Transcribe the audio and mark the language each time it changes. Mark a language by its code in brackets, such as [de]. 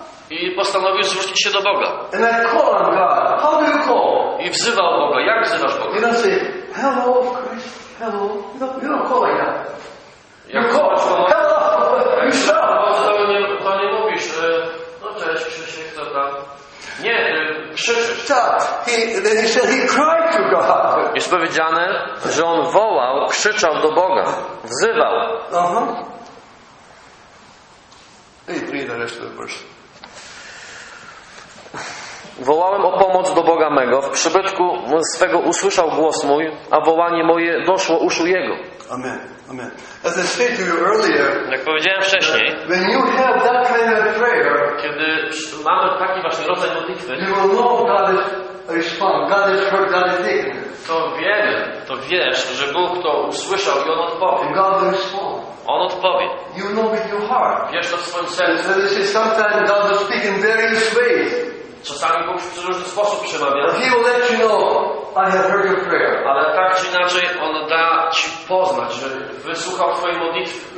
[pl] I postanowił zwrócić się do Boga. [en] And I call on God. How do you call? [pl] I wzywał Boga. Jak wzywasz Boga? [en] You don't say, hello, Christ, hello. You don't call like that. [pl] Jak [en] call? Call? Hello, you shout. [pl] To nie mówisz, no cześć, Krzysiek, co tam? Nie, krzyczysz. [en] Tak. He cried to God. [pl] Jest powiedziane, że on wołał, krzyczał do Boga, wzywał. [en] I read the rest of the verse. [pl] Wołałem o pomoc do Boga mego. W przybytku swego usłyszał głos mój, a wołanie moje doszło uszu Jego. [en] Amen. Amen. As I said to you earlier, [pl] jak powiedziałem wcześniej, [en] when you have that kind of prayer, [pl] kiedy mamy taki właśnie rodzaj modlitwy, [en] you will know God is responding. God is heard, God is taken. [pl] To wiesz, że Bóg to usłyszał i On odpowie. [en] And God will respond. [pl] On odpowie. [en] You know with your heart. [pl] Wiesz to w swoim sercu. [en] As I said, sometimes God will speak in various ways. [pl] Czasami Bóg w różny sposób przemawia. [en] He will let you know, I have heard your prayer. [pl] Ale tak czy inaczej On da ci poznać, że wysłuchał twojej modlitwy.